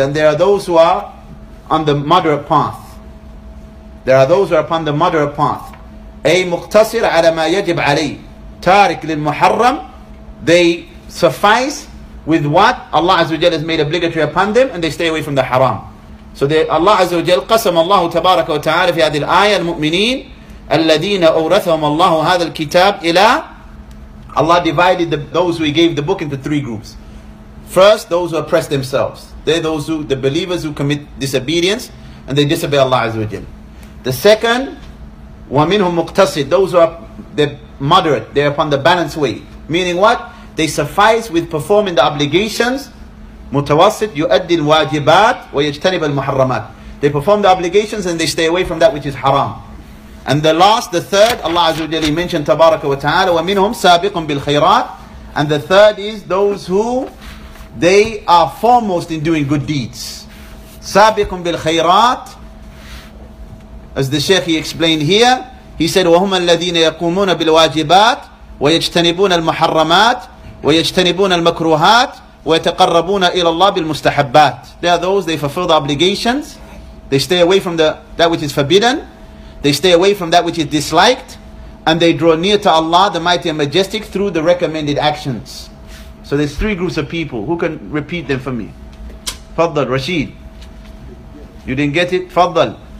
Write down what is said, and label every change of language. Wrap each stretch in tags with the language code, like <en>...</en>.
<en>And there are those who are on the moderate path. There are those who are upon the moderate path.</en> <ar>أي مقتصر على ما يجب عليه. تارك للمحرم.</ar> <en>They suffice with what Allah Azza wa Jalla has made obligatory upon them, and they stay away from the haram. So they,</en> <ar>Allah Azza wa Jalla قسم الله تبارك وتعالى في هذه الآية المؤمنين الذين أورثهم الله هذا الكتاب إلى.</ar> <en>Allah divided those who He gave the book into three groups. First, those who oppress themselves. They're those who, the believers who commit disobedience and they disobey Allah Azza wa Jalla. The second,</en> <ar>وَمِنْهُمْ مُقْتَصِدٌ.</ar> <en>Those who are, they're moderate, they're upon the balance way. Meaning what? They suffice with performing the obligations.</en> <ar>مُتَوَسِطْ يُؤَدِّ الْوَاجِبَاتِ وَيَجْتَنِبَ الْمُحَرَّمَاتِ.</ar> <en>They perform the obligations and they stay away from that which is haram. And the last, the third, Allah Azza wa Jalla mentioned Tabaraka wa Ta'ala,</en> <ar>وَمِنْهُمْ سَابِقٌ بِالْخَيْرَاتِ.</ar> <en>And the third is those who, they are foremost in doing good deeds.</en> <ar>سَابِقٌ بِالْخَيْرَاتِ.</ar> <en>As the Shaykh he explained here, he said,</en> <ar>وَهُمَ الَّذِينَ يَقُومُونَ بِالْوَاجِبَاتِ وَيَجْتَنِبُونَ الْمُحَرَّمَاتِ وَيَجْتَنِبُونَ الْمَكْرُوهَاتِ وَيَتَقَرَّبُونَ إِلَى اللَّهِ بِالْمُسْتَحَبَّاتِ.</ar> <en>They are those, they fulfill the obligations, they stay away from that which is forbidden, they stay away from that which is disliked, and they draw near to Allah, the Mighty and Majestic, through the recommended actions. So there's three groups of people. Who can repeat them for me? Faddal, Rashid. You didn't get it? Faddal.</en>